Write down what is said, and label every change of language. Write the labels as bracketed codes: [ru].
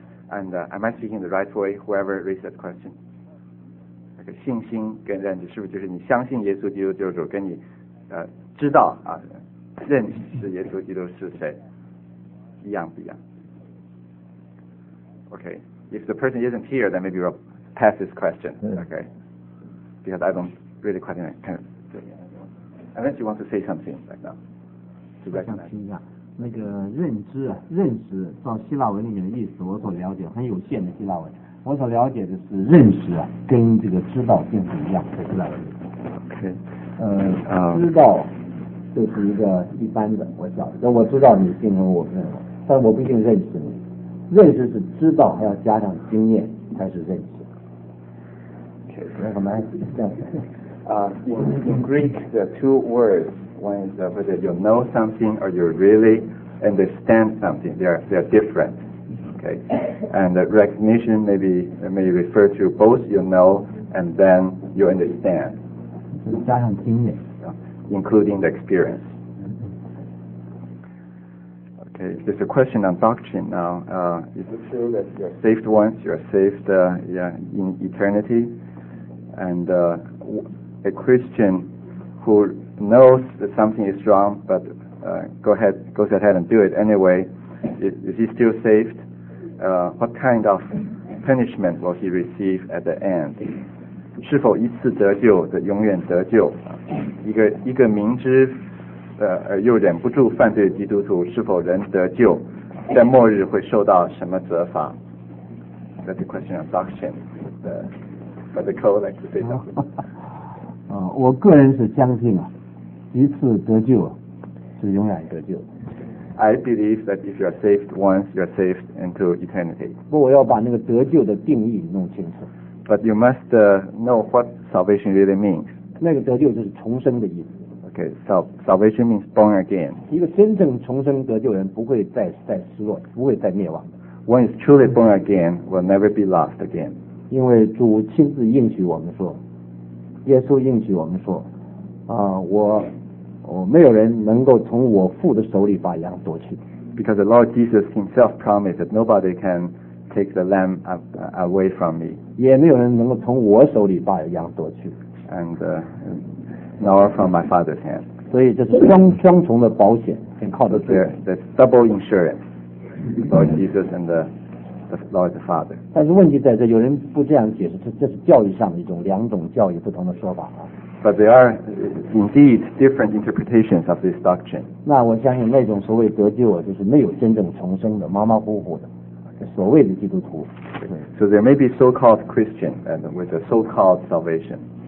[en] And am I speaking the right way? Whoever raised that question, [zh] 那个信心跟认知是不是就是你相信耶稣基督就是跟你知道啊认识耶稣基督是谁一样不一样 [en] ？Okay, if the person isn't here, then maybe we'll pass this question. Okay, because I don't really quite kind of. Unless you want to say something right now, to recognize. [zh] 我想听一下那个认知啊，认识照希腊文里面的意思，我所了解很有限的希腊文。我所了解的是认识啊，跟这个知道并不一样，在希腊文里。 OK，知道就是一个一般的，我晓得，我知道你信任我，但我不一定认识你。认识是知道，还要加上经验才是认识。 OK，那我们这样。 [en] In Greek, the two words, one is whether you know something or you really understand something. They are different. Okay, and the recognition may refer to both you know and then you understand. [zh] 加上经验 [en] including the experience. Okay, there's a question on doctrine now. Is it true that you're saved once, you're saved in eternity? And a Christian who knows that something is wrong but goes ahead and do it anyway, is he still saved? What kind of punishment will he receive at the end? [zh] 是否一次得救的永远得救？一个明知又忍不住犯罪的基督徒，是否仍得救？在末日会受到什么责罚 ？ [en] That's a question of doctrine. But the Cole likes to say something. [zh] 我个人是相信啊，一次得救是永远得救。 [en] I believe that if you are saved once, you are saved into eternity. [zh] 不，我要把那个得救的定义弄清楚。 [en] But you must know what salvation really means. [zh] 那个得救就是重生的意思。 [en] Okay, salvation means born again. [zh] 一个真正重生得救人不会再失落，不会再灭亡。 [en] One is truly born again will never be lost again. [zh] 因为主亲自应许我们说，耶稣应许我们说，啊，我没有人能够从我父的手里把羊夺去。 [en] Because the Lord Jesus Himself promised that nobody can take the lamb away from me. [zh] 也没有人能够从我手里把羊夺去。 [en] And nor from my father's hand. [zh] 所以这是双重的保险，很靠得住。 [en] That's double insurance. Lord Jesus and the Lord the Father. [zh] 但是问题在这，有人不这样解释，这是教义上的一种两种教义不同的说法啊。 [en] But there are indeed different interpretations of this doctrine. [zh] 那我相信那种所谓得救，就是没有真正重生的，马马虎虎的，所谓的基督徒。 [en] So there may be so-called Christian and with a so-called salvation.